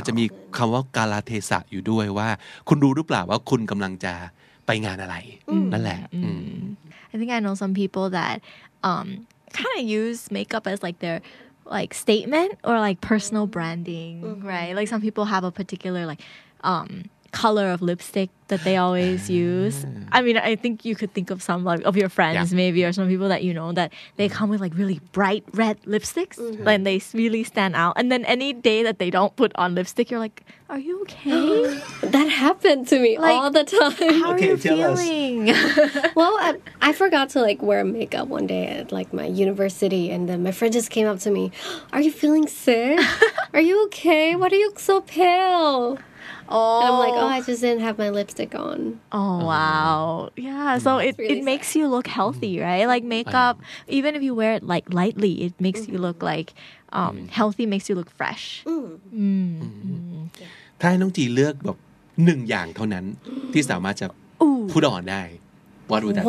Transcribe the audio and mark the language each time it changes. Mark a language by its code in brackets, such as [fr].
[th] จจะมีคำว่ากาลเทศะอยู่ด้วยว่าคุณรู้หรือเปล่าว่าคุณกำลังจะไปงานอะไรนั่นแหละ [en] I think I know some people that kind of use makeup as like their like statement or like personal branding right like some people have a particular like color of lipstick that they always use I mean I think you could think of some like, of your friends maybe or some people that you know that they come with like really bright red lipsticks and they really stand out and then any day that they don't put on lipstick you're like are you okay that happened to me like, all the time how okay, are you feeling well I forgot to like wear makeup one day at like my university and then my friend just came up to me are you feeling sick are you okay why do you look so pale Oh. And I'm like, oh, I just didn't have my lipstick on. Oh, wow. Yeah, so it makes you look healthy, right? Like makeup, even if you wear it like lightly, it makes you look like healthy, makes you look fresh. [th] ถ้าให้น้องจีเลือกแบบหนึ่งอย่างเท่านั้นที่สามารถจะพูดออกได้ [en] What would that